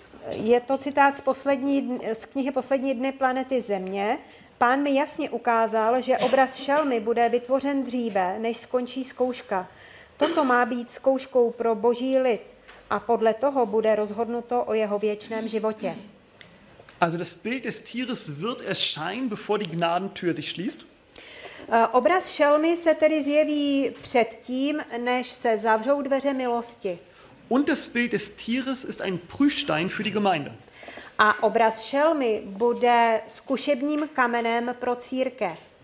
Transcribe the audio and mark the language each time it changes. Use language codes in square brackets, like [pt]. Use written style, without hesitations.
[cs] Je to citát z knihy Poslední dny planety Země. Pán mi jasně ukázal, že obraz šelmy bude vytvořen dříve, než skončí zkouška. Toto má být zkouškou pro boží lid a podle toho bude rozhodnuto o jeho věčném životě. [de] Also das Bild des Tieres wird erscheinen, bevor die Gnadentür sich schließt. [cs] Obraz šelmy se tedy zjeví před tím, než se zavřou dveře milosti. [de] Und das Bild des Tieres ist ein Prüfstein für die Gemeinde. [cs] A obraz šelmy bude zkušebním kamenem pro církev.